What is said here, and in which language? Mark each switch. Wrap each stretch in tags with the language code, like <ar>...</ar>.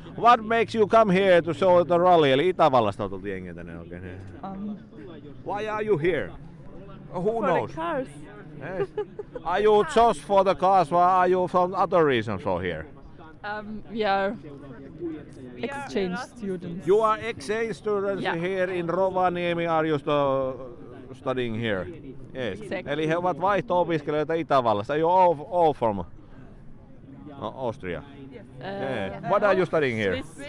<en>What makes you come here to show the rally?</en> <fi>Eli Itävallasta on tultu jengiä tänne oikein.</fi> <en>Why are you here? Who for knows? The cars. Yes. Are you just for the cars or are you for other reasons for here? We are exchange students. You are exchange students, yeah. Here in Rovaniemi, are you studying here? Yes. Exactly.</en> <fi>Eli he ovat vaihto-opiskelijoita Itävallasta.</fi> <en>Are you all from Austria? Yeah. What are you studying here?</en>